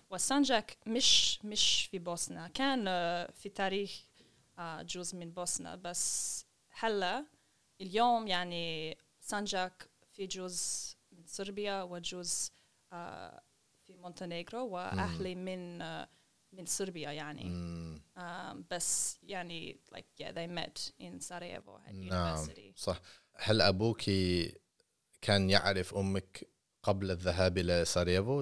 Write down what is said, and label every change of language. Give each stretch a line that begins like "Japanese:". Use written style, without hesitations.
Arabic: والسانجاك مش في بوسنا, كان في تاريخ جزء من بوسنا, بس هلا اليوم يعني سانجاك في جزء من صربيا وجزء في مونتينيغرو, وأهلي من صربيا يعني. بس يعني
English: like yeah they met in Sarajevo at university.
Arabic: نعم صح. هل أبوك كان يعرف أمك قبل الذهاب إلى سارييفو؟